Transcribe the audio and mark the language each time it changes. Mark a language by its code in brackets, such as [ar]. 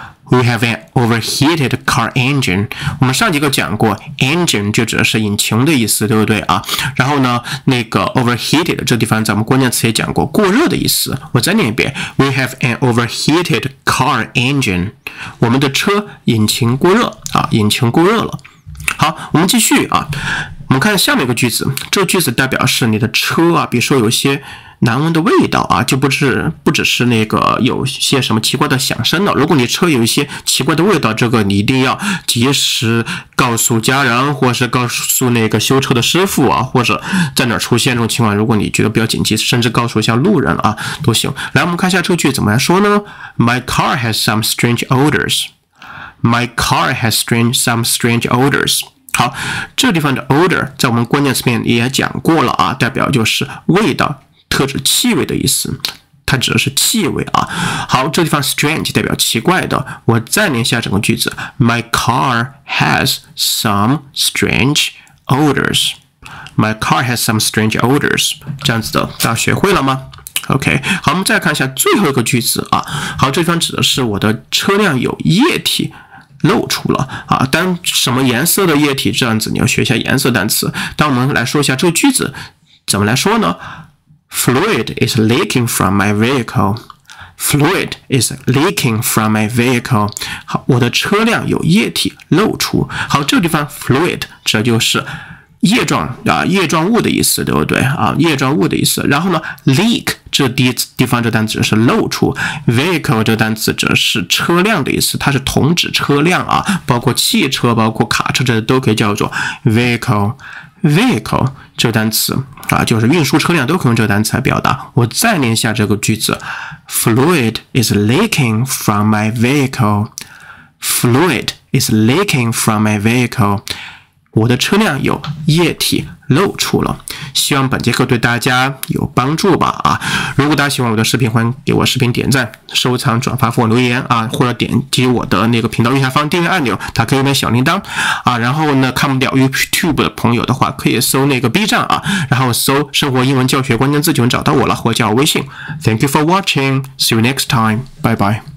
[en] We have an overheated car engine. [zh] 我们上节课讲过 engine 就指的是引擎的意思，对不对啊？然后呢那个 overheated 这地方咱们关键词也讲过，过热的意思。我再念一遍， [en] We have an overheated car engine. [zh] 我们的车引擎过热啊，引擎过热了。好，我们继续啊，我们看下面一个句子。这句子代表是你的车啊，比如说有些难闻的味道啊，就不只是那个有些什么奇怪的响声了。如果你车有一些奇怪的味道，这个你一定要及时告诉家人，或是告诉那个修车的师傅啊，或者在哪出现这种情况，如果你觉得比较紧急，甚至告诉一下路人啊都行。来，我们看一下这句怎么来说呢？ [en] My car has some strange odors. My car has some strange odors. [zh] 好，这地方的 odor 在我们关键词面也讲过了啊，代表就是味道，特指气味的意思，它指的是气味啊。好，这地方 strange 代表奇怪的，我再念一下整个句子， [en] My car has some strange odors. My car has some strange odors. [zh] 这样子的，大家学会了吗？OK， 好，我们再看一下最后一个句子啊。好，这地方指的是我的车辆有液体露出了啊，但什么颜色的液体，这样子你要学一下颜色单词。当我们来说一下这个句子怎么来说呢？ [en] Fluid is leaking from my vehicle. Fluid is leaking from my vehicle. [zh] 好，我的车辆有液体露出。好，这个地方 fluid 指的就是液状物的意思，对不对啊？液状物的意思。然后呢 ，leak 这地方这单词是漏出 ，vehicle 这单词则是车辆的意思，它是同指车辆啊，包括汽车、包括卡车，这都可以叫做 vehicle。 vehicle 这单词啊，就是运输车辆都可以用这单词来表达。我再念一下这个句子 ： [en] fluid is leaking from my vehicle. Fluid is leaking from my vehicle. [zh] 我的车辆有液体露出了，希望本节课对大家有帮助吧啊！如果大家喜欢我的视频，欢迎给我视频点赞、收藏、转发或留言啊，或者点击我的那个频道右下方订阅按钮，打开右边小铃铛啊。然后呢，看不了 YouTube 的朋友的话，可以搜那个 B 站啊，然后搜“生活英文教学”关键字就能找到我了，或者加我微信。 [en] Thank you for watching. See you next time. Bye bye.